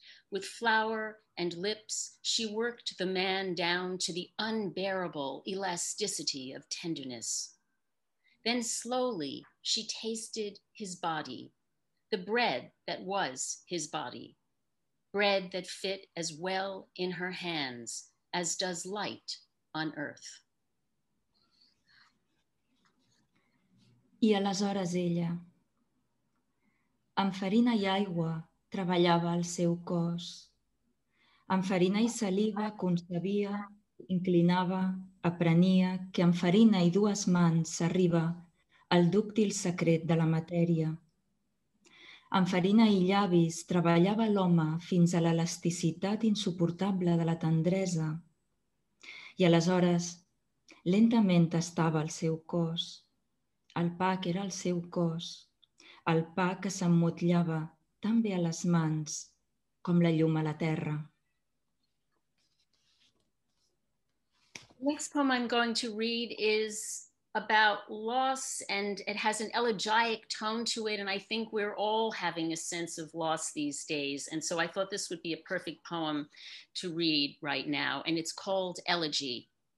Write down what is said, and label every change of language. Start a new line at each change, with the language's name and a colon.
English: With flour and lips, she worked the man down to the unbearable elasticity of tenderness. Then slowly she tasted his body, the bread that was his body, bread that fit as well in her hands as does light on earth.
Catalan: I aleshores ella, amb farina i aigua, treballava el seu cos. Amb farina i saliva concebia, inclinava, aprenia que amb farina i dues mans s'arriba al dúctil secret de la matèria. Amb farina i llavis treballava l'home fins a l'elasticitat insuportable de la tendresa. I aleshores, lentament tastava el seu cos. El pa que era el seu cos. El pa que s'emmotllava també a les mans, com la llum a la terra.
English: Next poem I'm going to read is about loss, and it has an elegiac tone to it, and I think we're all having a sense of loss these days, and so I thought this would be a perfect poem to read right now, and it's called Elegy.